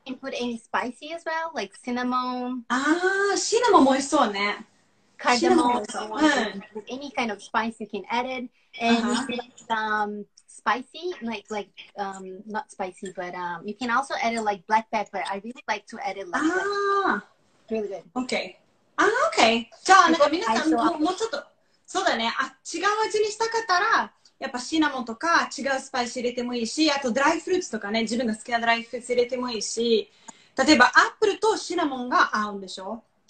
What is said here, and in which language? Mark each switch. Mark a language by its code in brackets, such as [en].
[en] you can put any spicy as well like cinnamon。 [ja] あーシナモンも美味しそうね。 [en] Cardamom, any kind of spice you can add it, and spicy, like not spicy, but you can also add it like black pepper. I really like to add it like that. Really good. Okay. Okay. [ja] じゃあなんか皆さんもうちょっとそうだね。あ、違う味にしたかったらやっぱシナモンとか違うスパイス入れてもいいし、あとドライフルーツとかね、自分の好きなドライフルーツ入れてもいいし、例えばアップルとシナモンが合うんでしょ。